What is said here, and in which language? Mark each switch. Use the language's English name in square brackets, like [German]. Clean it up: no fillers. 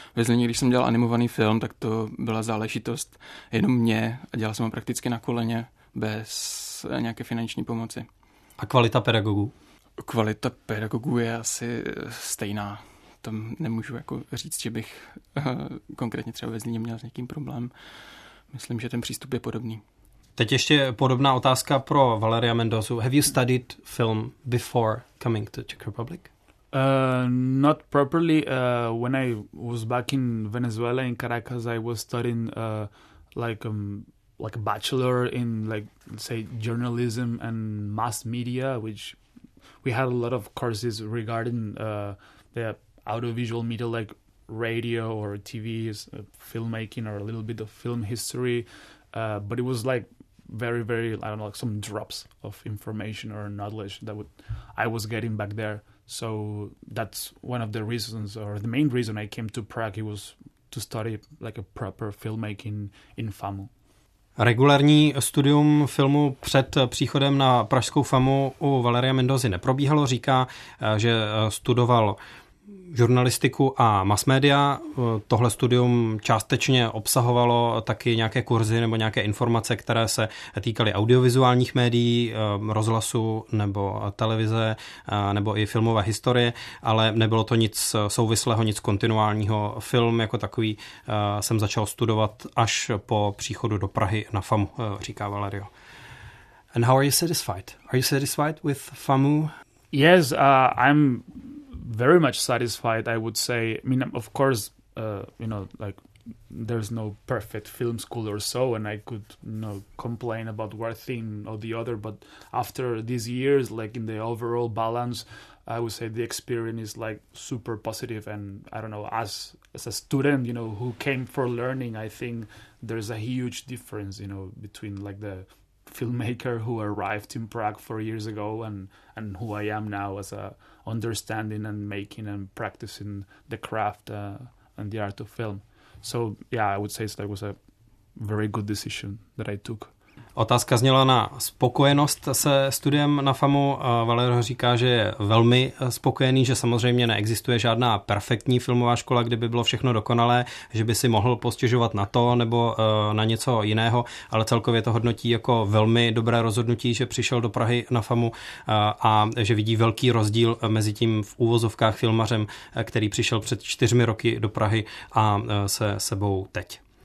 [Czech] Ve Zlíně, když jsem dělal animovaný film, tak to byla záležitost jenom mě a dělal jsem ho prakticky na koleně bez nějaké finanční pomoci. A kvalita pedagogů? Kvalita pedagogů je asi stejná. Tam nemůžu jako říct, že bych konkrétně třeba ve Zlíně měl s někým problém. Myslím, že ten přístup je podobný. Teď ještě podobná otázka pro Valeria Mendozu. [English] Have you studied film before coming to Czech Republic? Not properly. When I was back in Venezuela, in Caracas, I was studying like a bachelor in, like, say, journalism and mass media, which we had a lot of courses regarding the audiovisual media, like radio or TVs, filmmaking or a little bit of film history. But it was like very, very, I don't know, like some drops of information or knowledge that I was getting back there. So that's one of the reasons, or the main reason I came to Prague, was to study like a proper filmmaking in FAMU. [Czech] Regulární studium filmu před příchodem na pražskou FAMU u Valeria Mendozy neprobíhalo. Říká, že studoval žurnalistiku a mass media. Tohle studium částečně obsahovalo taky nějaké kurzy nebo nějaké informace, které se týkaly audiovizuálních médií, rozhlasu nebo televize nebo i filmové historie, ale nebylo to nic souvislého, nic kontinuálního. Film jako takový jsem začal studovat až po příchodu do Prahy na FAMU, říká Valerio. [English] And how are you satisfied? Are you satisfied with FAMU? Yes, I'm very much satisfied, I would say. I mean, of course, you know, like, there's no perfect film school or so, and I could, you know, complain about one thing or the other, but after these years, like, in the overall balance, I would say the experience is, like, super positive, and I don't know, as a student, you know, who came for learning, I think there's a huge difference, you know, between, like, the filmmaker who arrived in Prague 4 years ago and who I am now as a understanding and making and practicing the craft and the art of film. So yeah, I would say that was a very good decision that I took. [Czech] Otázka zněla na spokojenost se studiem na FAMU. Valero říká, že je velmi spokojený, že samozřejmě neexistuje žádná perfektní filmová škola, kde by bylo všechno dokonalé, že by si mohl postěžovat na to nebo na něco jiného, ale celkově to hodnotí jako velmi dobré rozhodnutí, že přišel do Prahy na FAMU a že vidí velký rozdíl mezi tím v úvozovkách filmařem, který přišel před 4 roky do Prahy a se sebou teď.